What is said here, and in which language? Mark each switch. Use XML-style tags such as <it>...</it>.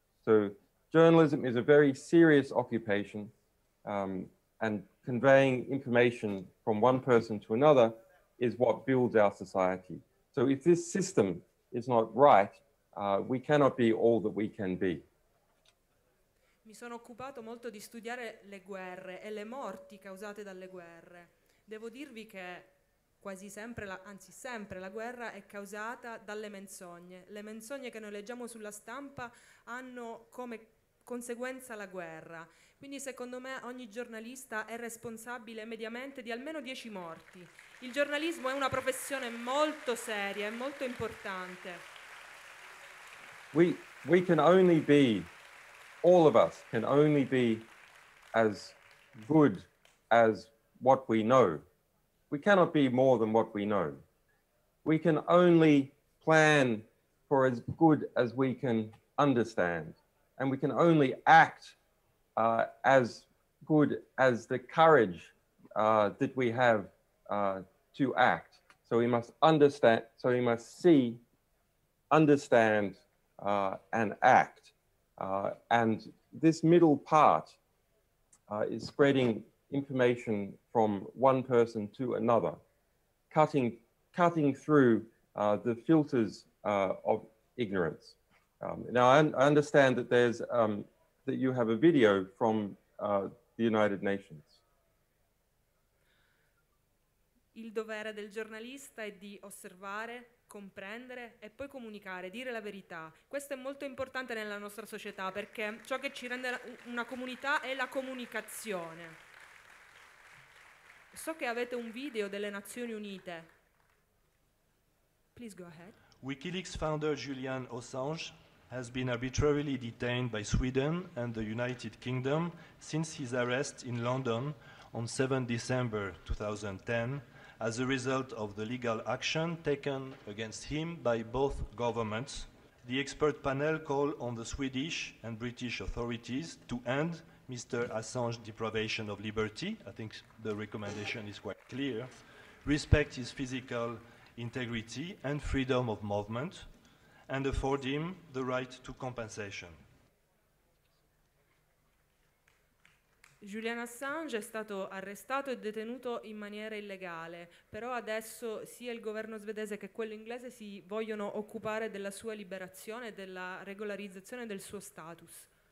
<en>So journalism is a very serious occupation, and conveying information from one person to another is what builds our society. So if this system is not right, we cannot be all that we can be.</en> <it>Mi sono occupato molto di studiare le guerre e le morti causate dalle guerre. Devo dirvi che quasi sempre, sempre la guerra è causata dalle menzogne. Le menzogne che noi leggiamo sulla stampa hanno come conseguenza la guerra. Quindi secondo me ogni giornalista è responsabile mediamente di almeno 10 morti. Il giornalismo è una professione molto seria e molto importante.</it> <en>We can only be, all of us can only be as good as what we know. We cannot be more than what we know. We can only plan for as good as we can understand, and we can only act as good as the courage that we have to act. So we must understand, so we must see, understand, and act. And this middle part is spreading information from one person to another, cutting through the filters of ignorance. Now, I understand that there's that you have a video from the United Nations.</en> <it>Il dovere del giornalista è di osservare, comprendere e poi comunicare, dire la verità. Questo è molto importante nella nostra società perché ciò che ci rende una comunità è la comunicazione. So che avete un video delle Nazioni Unite.</it> <en>Please go ahead. WikiLeaks founder Julian Assange has been arbitrarily detained by Sweden and the United Kingdom since his arrest in London on 7 December 2010 as a result of the legal action taken against him by both governments. The expert panel called on the Swedish and British authorities to end Mr. Assange deprivation of liberty. I think the recommendation is quite clear. Respect his physical integrity and freedom of movement, and afford him the right to compensation.</en> <it>Julian Assange è stato arrestato e detenuto in maniera illegale, però adesso sia il governo svedese che quello inglese si vogliono occupare della sua liberazione e della regolarizzazione del suo status.</it>